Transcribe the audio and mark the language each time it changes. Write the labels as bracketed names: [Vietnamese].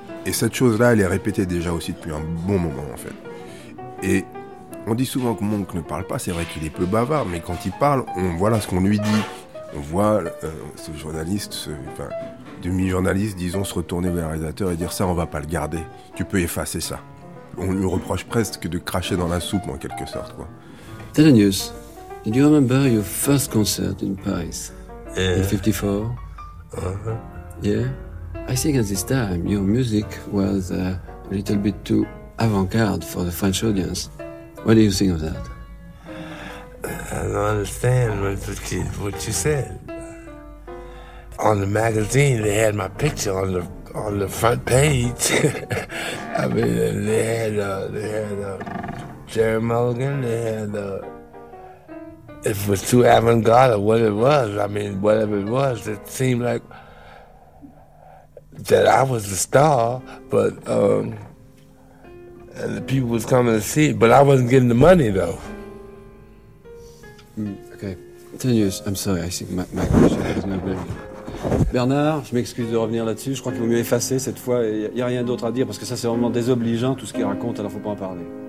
[French] Et cette chose-là, elle est répétée déjà aussi depuis un bon moment, en fait. Et on dit souvent que Monk ne parle pas, c'est vrai qu'il est peu bavard, mais quand il parle, on voit là ce qu'on lui dit. On voit ce journaliste, demi-journaliste, disons, se retourner vers le réalisateur et dire « ça, on va pas le garder, tu peux effacer ça ». On lui reproche presque de cracher dans la soupe, en quelque sorte, quoi. [English] Thelonious, did you remember your first concert in Paris? In 54? I think at this time your music was a little bit too avant-garde for the French audience. What do you think of that? I don't understand what you said. On the magazine, they had my picture on the front page. I mean, they had Jerry Mulligan. They had if it was too avant-garde or what it was. I mean, whatever it was, it seemed like that I was the star, but and the people was coming to see it, but I wasn't getting the money though. Okay, 10 years. I'm sorry. I think my question is not very good. [French] Bernard, je m'excuse de revenir là-dessus. Je crois qu'il vaut mieux effacer cette fois. Il n'y a rien d'autre à dire parce que ça, c'est vraiment désobligeant tout ce qu'il raconte. Alors, faut pas en parler.